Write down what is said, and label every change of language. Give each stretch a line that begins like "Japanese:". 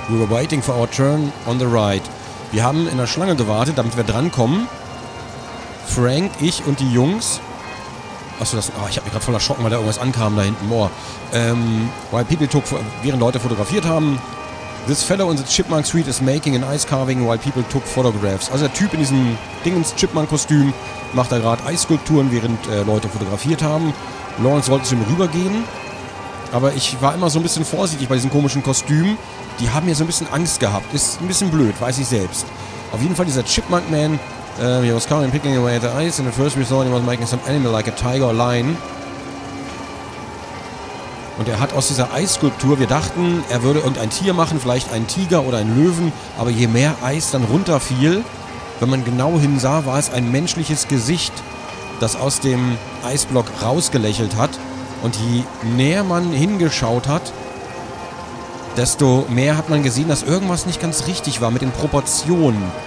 English: We were waiting for our turn on the ride.
German: Wir haben in der Schlange gewartet, damit wir drankommen. Frank, ich und die Jungs. Achso, das. Oh, ich hab mich gerade voll erschrocken, weil da irgendwas ankam da hinten. Boah.
English: While people took.
German: Während Leute fotografiert haben.
English: This fellow in the Chipmunk Suite is making an ice carving while people took photographs.
German: Also der Typ in diesem Dingens Chipmunk-Kostüm macht da gerade Eisskulpturen, während Leute fotografiert haben. Lawrence wollte zu ihm rübergehen. Aber ich war immer so ein bisschen vorsichtig bei diesen komischen Kostümen. Die haben ja so ein bisschen Angst gehabt. Ist ein bisschen blöd, weiß ich selbst. Auf jeden Fall dieser Chipmunk-Man.
English: He was coming and picking away at the ice. And at first we saw he was making some animal like a tiger or lion.
German: Und er hat aus dieser Eisskulptur, wir dachten, er würde irgendein Tier machen, vielleicht einen Tiger oder einen Löwen. Aber je mehr Eis dann runterfiel, wenn man genau hinsah, war es ein menschliches Gesicht, das aus dem Eisblock rausgelächelt hat. Und je näher man hingeschaut hat, desto mehr hat man gesehen, dass irgendwas nicht ganz richtig war mit den Proportionen.